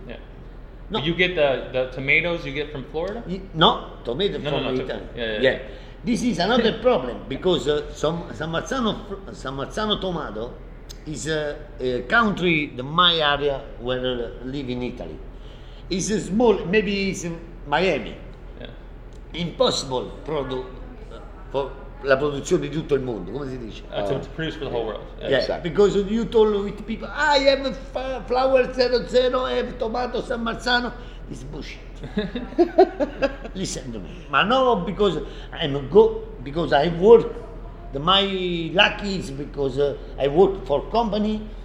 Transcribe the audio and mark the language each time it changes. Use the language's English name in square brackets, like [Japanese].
[English] Yeah. No. You get the tomatoes you get from Florida? No, tomato no, from no, no, Italy. Yeah. This is another problem, because San Marzano tomato is a country, the my area where I live in Italy. It's a small, maybe it's in Miami. Yeah. Impossible for [Italian] la produzione di tutto il mondo, come si dice? [English] To produce for the whole world. Yeah, yeah. Exactly. Because you told with people, I have flour 00, I have tomato San Marzano. It's bullshit. Listen to me. But no, because I'm good, because I work, my lucky is because I work for company.